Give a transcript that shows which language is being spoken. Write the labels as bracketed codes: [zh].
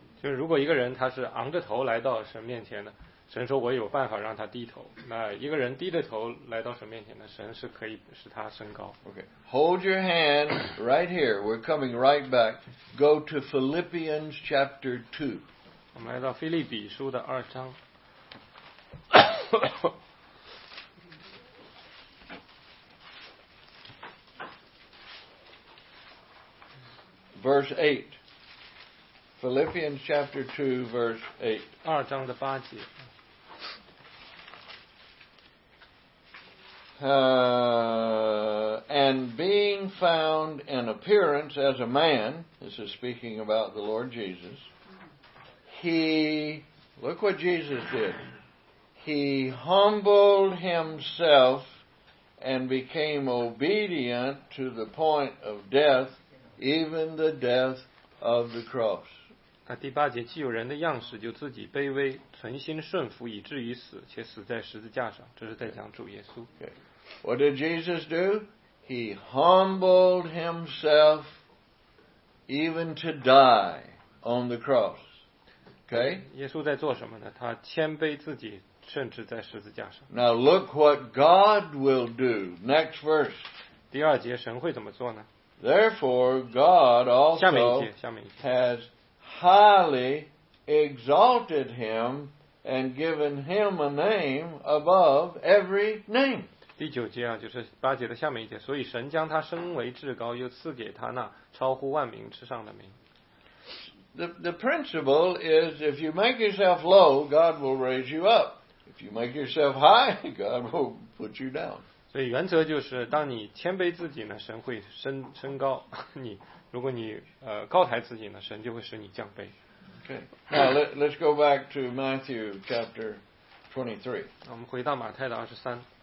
[zh] 就是如果一个人他是昂着头来到神面前的，神说我有办法让他低头。那一个人低着头来到神面前的，神是可以使他升高。 [en] Okay, hold your hand right here. We're coming right back. Go to Philippians chapter 2. [zh] 我们来到腓立比书的二章。 [en] Verse 8. Philippians chapter 2, verse 8. [zh] 二章的八节。 [en] And being found in appearance as a man, this is speaking about the Lord Jesus, he, look what Jesus did. He humbled himself and became obedient to the point of death, even the death of the cross. [zh] 那第八节，既有人的样式，就自己卑微，存心顺服，以至于死，且死在十字架上。这是在讲主耶稣。 [en] What did Jesus do? He humbled himself even to die on the cross. Okay? [zh] 耶稣在做什么呢？他谦卑自己，甚至在十字架上。 [en] Now look what God will do. Next verse. [zh] 第二节，神会怎么做呢？ [en] Therefore, God also [zh] 下面一节 [en] has highly exalted him and given him a name above every name. [zh] 第九节啊，就是八节的下面一节，所以神将他升为至高，又赐给他那超乎万名之上的名。 [en] The principle is if you make yourself low, God will raise you up. If you make yourself high, God will put you down. [zh] 所以原则就是，当你谦卑自己呢，神会升高你；如果你高抬自己呢，神就会使你降卑。 [en] Okay. Now let's go back to Matthew chapter 23. [zh] 那我们回到马太的二十三。